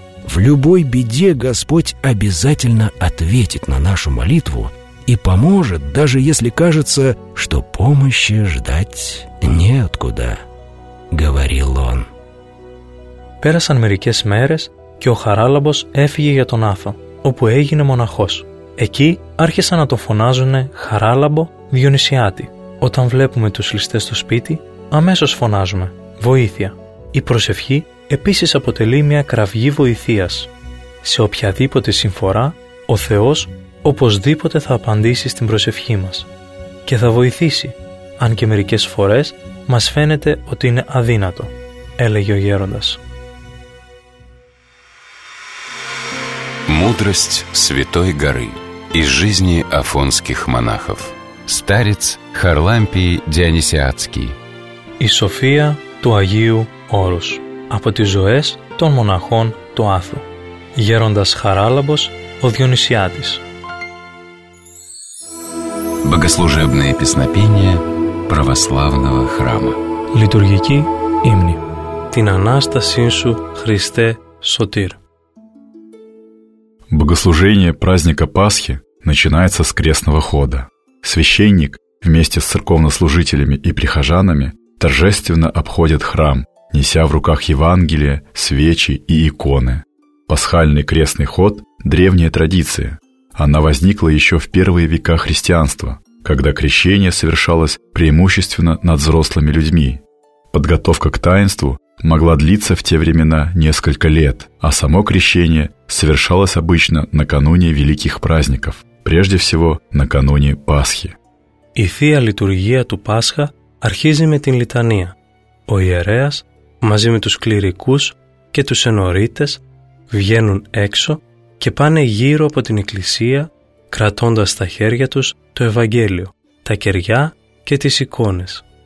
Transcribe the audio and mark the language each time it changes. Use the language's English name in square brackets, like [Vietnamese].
[Russian] В любой беде Господь обязательно ответит на нашу молитву и поможет, даже если кажется, что помощи ждать неоткуда», — говорил он. [Greek] Πέρασαν μερικές μέρες και ο Χαράλαμπος έφυγε για τον Άθο, όπου έγινε μοναχός. Εκεί άρχισαν να τον φωνάζουν Χαράλαμπο Διονυσιάτη. Όταν βλέπουμε τους ληστές στο σπίτι, αμέσως φωνάζουμε «Βοήθεια!». Η προσευχή επίσης αποτελεί μια κραυγή βοηθείας. Σε οποιαδήποτε συμφορά, ο Θεός οπωσδήποτε θα απαντήσει στην προσευχή μας και θα βοηθήσει, αν και μερικές φορές μας φαίνεται ότι είναι αδύνατο, έλεγε ο γέροντας. [Russian] Мудрость Святой Горы из жизни афонских монахов. Старец Харлампий Дионисиатский. [Greek] И София του Αγίου Όρους. Από τις ζωές των μοναχών του Άθου. Γέροντας Χαράλαμπος ο Διονυσιάτης. [Russian] Богослужебные песнопения православного храма. [Greek] Λειτουργική ύμνη. την Ανάστασή Σου, Χριστέ Σωτήρ. [Russian] Богослужение праздника Пасхи начинается с крестного хода. Священник вместе с церковнослужителями и прихожанами торжественно обходит храм, неся в руках Евангелие, свечи и иконы. Пасхальный крестный ход – древняя традиция. Она возникла еще в первые века христианства, когда крещение совершалось преимущественно над взрослыми людьми. Подготовка к таинству могла длиться в те времена несколько лет, а само крещение совершалось обычно накануне великих праздников, прежде всего накануне Пасхи. [Greek] Η Θεία Λειτουργία του Πάσχα αρχίζει με την Λιτανία. Ο ιερέας μαζί με τους κληρικούς και τους ενορίτες βγαίνουν έξω και πάνε γύρω από την εκκλησία κρατώντας στα χέρια τους το Ευαγγέλιο, τα κεριά και τις εικόνες.